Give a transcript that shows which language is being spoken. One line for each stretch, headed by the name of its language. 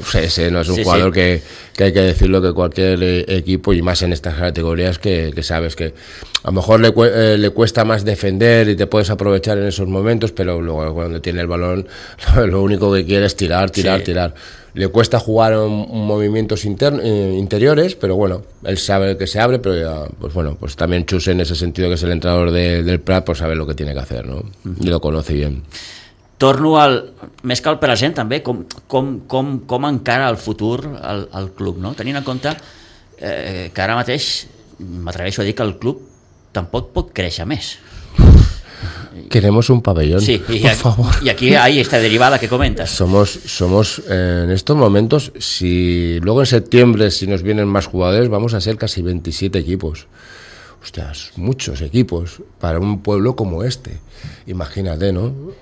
Spanish: Sí, no es un jugador que hay que decirlo que cualquier equipo, y más en estas categorías, que sabes que a lo mejor le cuesta más defender y te puedes aprovechar en esos momentos, pero luego cuando tiene el balón, lo único que quiere es tirar. Le cuesta jugar movimientos interiores, pero bueno, él sabe que se abre, pero ya, pues bueno, pues también Chus en ese sentido, que es el entrenador del Prat, pues sabe lo que tiene que hacer, ¿no? Uh-huh. Y lo conoce bien.
Catalan: Torno al més que al present també, com encara el futur al club, no? Tenint en compte que ara mateix m'atreveixo a dir que el club tampoc pot créixer més.
Spanish: Queremos un pabellón, sí, por favor. Y aquí hay esta derivada que comentas. Somos en estos momentos, si luego en septiembre, si nos vienen más jugadores, vamos a ser casi 27 equipos. Ostras, muchos equipos para un pueblo como este. Imagínate, ¿no?